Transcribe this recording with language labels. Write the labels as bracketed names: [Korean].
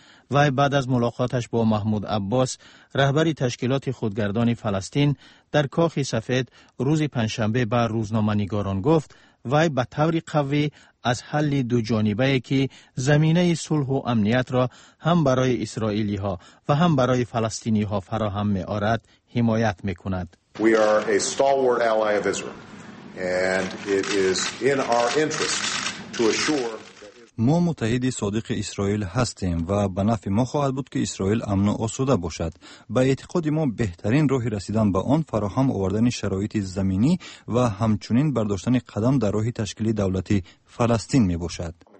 [Tajik] вай баъд аз мулоқоташ бо Маҳмуд Аббос, раҳбари ташкилоти худгардони Фаластин, дар кохи сафед рӯзи панҷшанбе ба рӯзноманигорон гуфт, вай ба таври қавӣ аз ҳалли дуҷонибае, ки заминаи сулҳу амниятро ҳам барои исроилиҳо ва ҳам барои фаластиниҳо фароҳам меорад, ҳимоят мекунад. [English] We are a stalwart ally of Israel, and it is in our interest to assure. [Tajik] Мо муттаҳиди содиқи Исроил ҳастем ва ба нафъи мо хоҳад буд, ки Исроил амну осуда бошад. Ба эътиқоди мо, беҳтарин роҳи расидан ба он фароҳам овардани шароити заминӣ ва ҳамчунин бардоштани қадам дар роҳи ташкили давлати Фаластин мебошад.